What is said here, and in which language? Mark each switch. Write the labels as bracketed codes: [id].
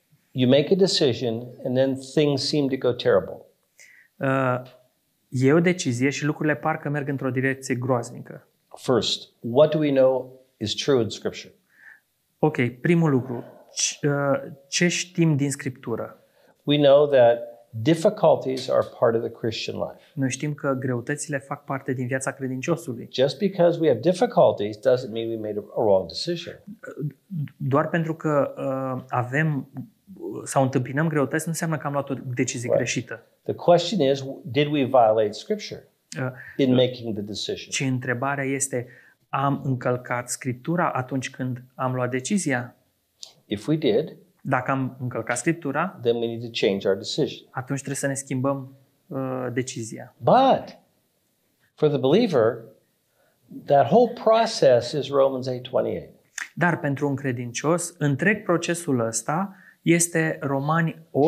[en] You make a decision and then things seem to go terrible. [ro] Iei o decizie și lucrurile parcă merg într-o direcție groaznică. [en] First, what do we know is true in Scripture? [ro] Ok, primul lucru. Ce știm din Scriptură? [en] We know that difficulties are part of the Christian life. [ro] Noi știm că greutățile fac parte din viața credinciosului. [en] Just because we have difficulties doesn't mean we made a wrong decision. [ro] Doar pentru că avem sau întâmpinăm greutăți nu înseamnă că am luat o decizie greșită. [en] The question is, did we violate Scripture in making the decision? [ro] Și întrebarea este, am încălcat Scriptura atunci când am luat decizia? [en] If we did, [ro] dacă am încălcat Scriptura, [en] then we need to change our decision. [ro] Atunci trebuie să ne schimbăm decizia. [en] But for the believer, that whole process is Romans 8:28. [ro] Dar pentru un credincios, întreg procesul ăsta este Romani 8:28.